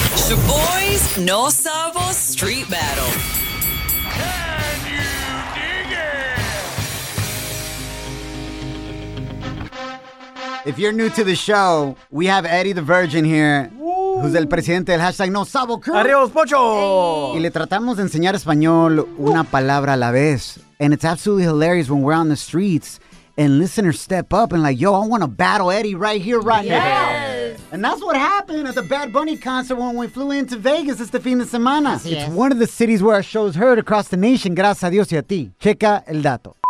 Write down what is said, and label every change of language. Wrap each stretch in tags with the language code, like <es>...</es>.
<en>The boys, no sabo street battle. Can you dig it? If you're new to the show, we have Eddie the Virgin here. Who's</en> <es>el presidente del hashtag No Sabo Crew. ¡Arriba, Pocho! Y le tratamos de enseñar español una palabra a la vez.</es> <en>And it's absolutely hilarious when we're on the streets and listeners step up and like, yo, I want to battle Eddie right here, right yes. now. And that's what happened at the Bad Bunny concert when we flew into Vegas</en> <es>este fin de semana. Así</es> <en>it's</en> <es>es.</es> <en>One of the cities where our show's heard across the nation.</en> <es>Gracias a Dios y a ti. Checa el dato.</es>